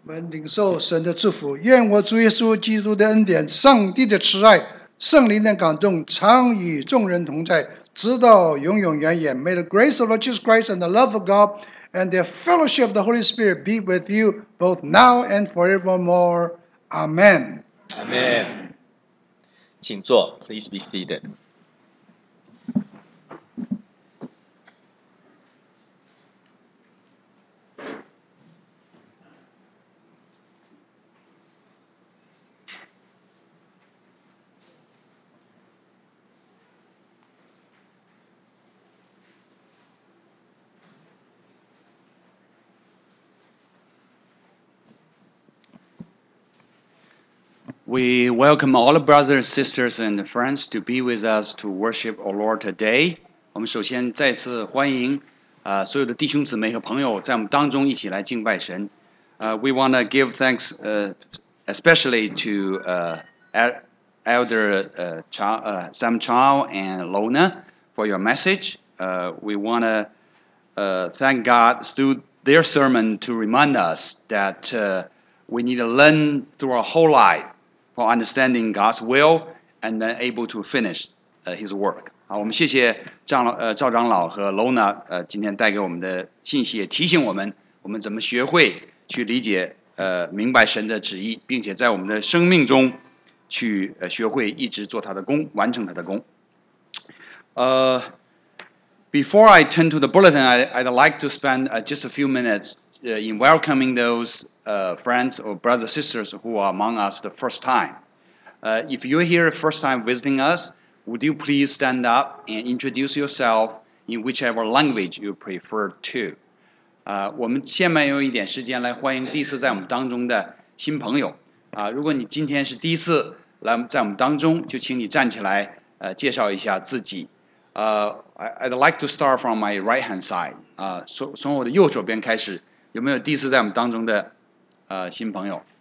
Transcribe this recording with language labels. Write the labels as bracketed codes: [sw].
[zh] 领受神的祝福，愿我主耶稣基督的恩典、上帝的慈爱、圣灵的感动，常与众人同在，直到永永远远。 [en] May the grace of Jesus Christ and the love of God and the fellowship of the Holy Spirit be with you both now and forevermore. Amen. Amen. [zh] 请坐 [en] ，Please be seated. We welcome all the brothers, sisters, and friends to be with us to worship our Lord today. [zh] 我们首先再次欢迎所有的弟兄姊妹和朋友在我们当中一起来敬拜神。 [en] We want to give thanks especially to Elder Sam Chow and Lona for your message. We want to thank God through their sermon to remind us that we need to learn through our whole life for understanding God's will and then able to finish His work. [zh] 好，我们谢谢张老，赵长老和 Lona， 今天带给我们的信息也提醒我们，我们怎么学会去理解，明白神的旨意，并且在我们的生命中去学会一直做他的工，完成他的工。 [en] Before I turn to the bulletin, I'd like to spend just a few minutes in welcoming those friends or brothers and sisters who are among us the first time. If you're here first time visiting us, would you please stand up and introduce yourself in whichever language you prefer to? [zh] 我们下面用一点时间来欢迎第一次在我们当中的新朋友。如果你今天是第一次来在我们当中，就请你站起来介绍一下自己。 [en] I'd like to start from my right-hand side. [zh] 从我的右手边开始，有没有第一次在我们当中的新朋友？